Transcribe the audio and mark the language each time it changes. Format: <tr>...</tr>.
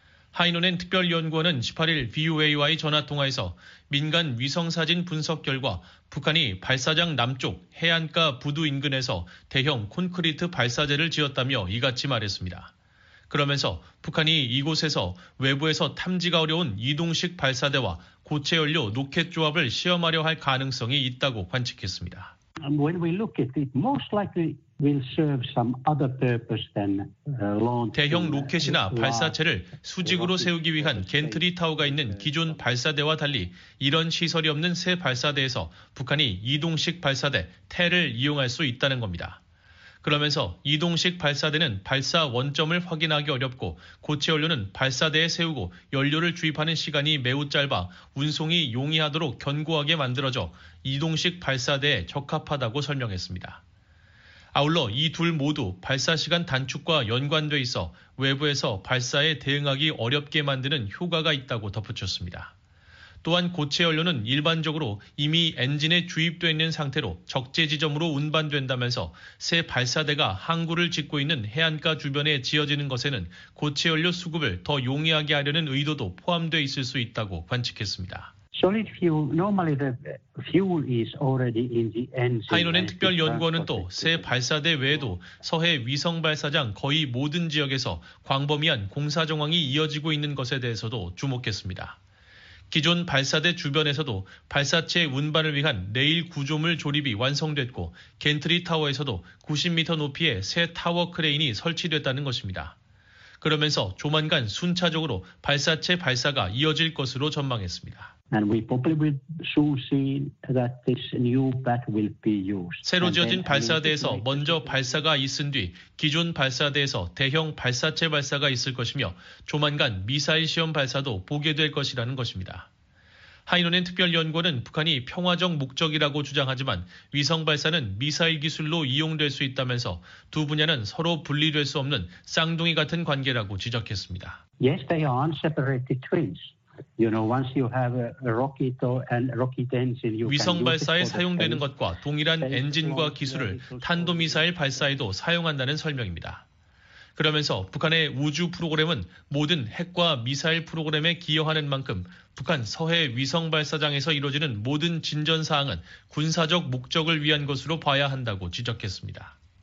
<ko>하이노넨 특별연구원은 18일 VOA와의 전화통화에서 민간 위성사진 분석 결과 북한이 발사장 남쪽 해안가 부두 인근에서 대형 콘크리트 발사재를 지었다며 이같이 말했습니다. 그러면서 북한이 이곳에서 외부에서 탐지가 어려운 이동식 발사대와 고체 연료 로켓 조합을 시험하려 할 가능성이 있다고 관측했습니다.</ko> <en>And when we look at it, most likely will serve some other purpose than launch.</en> <ko>대형 로켓이나 발사체를 수직으로 세우기 위한 갠트리 타워가 있는 기존 발사대와 달리 이런 시설이 없는 새 발사대에서 북한이 이동식 발사대 테를 이용할 수 있다는 겁니다. 그러면서 이동식 발사대는 발사 원점을 확인하기 어렵고 고체 연료는 발사대에 세우고 연료를 주입하는 시간이 매우 짧아 운송이 용이하도록 견고하게 만들어져 이동식 발사대에 적합하다고 설명했습니다. 아울러 이 둘 모두 발사 시간 단축과 연관돼 있어 외부에서 발사에 대응하기 어렵게 만드는 효과가 있다고 덧붙였습니다. 또한 고체 연료는 일반적으로 이미 엔진에 주입돼 있는 상태로 적재 지점으로 운반된다면서 새 발사대가 항구를 짓고 있는 해안가 주변에 지어지는 것에는 고체 연료 수급을 더 용이하게 하려는 의도도 포함돼 있을 수 있다고 관측했습니다.</ko> <en>Solid fuel, normally the fuel is already in the engine.</en> <ko>하이노넨 특별연구원은 또 새 발사대 외에도 서해 위성 발사장 거의 모든 지역에서 광범위한 공사 정황이 이어지고 있는 것에 대해서도 주목했습니다. 기존 발사대 주변에서도 발사체 운반을 위한 레일 구조물 조립이 완성됐고 갠트리 타워에서도 90m 높이의 새 타워 크레인이 설치됐다는 것입니다. 그러면서 조만간 순차적으로 발사체 발사가 이어질 것으로 전망했습니다.</ko> <en>And we probably will soon see that this new pad will be used.</en> <ko>새로 지어진 발사대에서 먼저 발사가 있은 뒤 기존 발사대에서 대형 발사체 발사가 있을 것이며 조만간 미사일 시험 발사도 보게 될 것이라는 것입니다. 하이노넨 특별연구원은 북한이 평화적 목적이라고 주장하지만 위성 발사는 미사일 기술로 이용될 수 있다면서 두 분야는 서로 분리될 수 없는 쌍둥이 같은 관계라고 지적했습니다.</ko> <en>Yes, they are unseparated twins. You know, once you have a rocket and rocket engine, you</en> <ko>위성 발사에 사용되는 것과 동일한 엔진과 기술을 탄도미사일 발사에도 사용한다는 설명입니다. 그러면서 북한의 우주 프로그램은 모든 핵과 미사일 프로그램에 기여하는 만큼 북한 서해 위성 발사장에서 이루어지는 모든 진전 사항은 군사적 목적을 위한 것으로 봐야 한다고 지적했습니다.</ko>